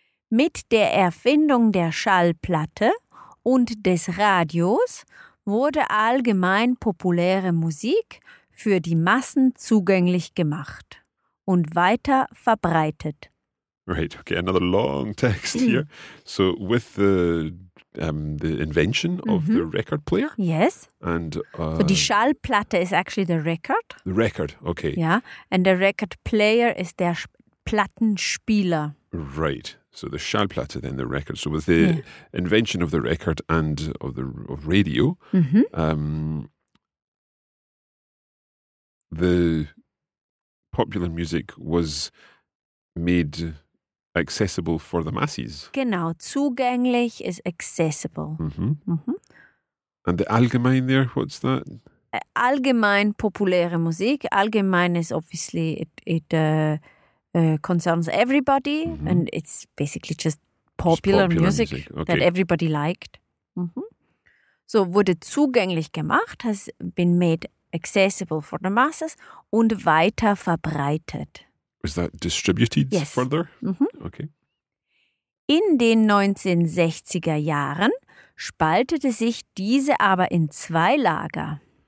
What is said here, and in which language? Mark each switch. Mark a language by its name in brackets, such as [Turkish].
[German] Mit der Erfindung der Schallplatte und des Radios wurde allgemein populäre Musik für die Massen zugänglich gemacht. Und weiter verbreitet. [English] Right, okay, another long text mm. here. So with the invention of mm-hmm. the record player. Yes. And so die Schallplatte is actually the record. The record, okay. Yeah, and the record player is der Plattenspieler. Right, so the Schallplatte, then the record. So with the yeah. invention of the record and of radio, mm-hmm. The... popular music was made accessible for the masses. Genau, zugänglich is accessible. Mm-hmm. Mm-hmm. And the allgemein there, what's that? [German] Allgemein populäre Musik. [English] Allgemein is obviously it concerns everybody, mm-hmm. and it's basically just popular music okay. that everybody liked. Mm-hmm. So [German] wurde zugänglich gemacht, [English] has been made accessible for the masses [German] und weiter verbreitet. [English] Is that distributed yes. further? Mm-hmm. Okay. [German] In den 1960er Jahren spaltete sich diese aber in zwei Lager.